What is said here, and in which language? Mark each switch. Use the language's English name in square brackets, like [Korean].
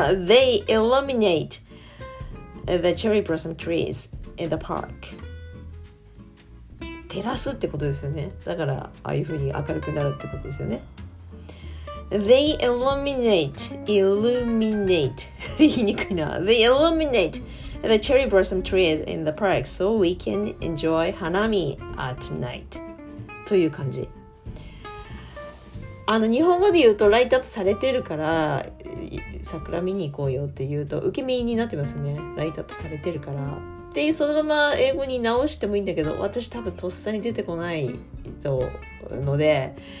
[English] ？They illuminate the cherry blossom trees in the park. [Japanese] 照らすってことですよね。だからああいう風に明るくなるってことですよね。 [English] They illuminate [Japanese] 言いにくいな。 [English] They illuminate the cherry blossom trees in the park so we can enjoy hanami at night [Japanese] という感じ。日本語で言うとライトアップされてるから桜見に行こうよって言うと受け身になってますね。ライトアップされてるから。でそのまま英語に直してもいいんだけど、私多分とっさに出てこないとので、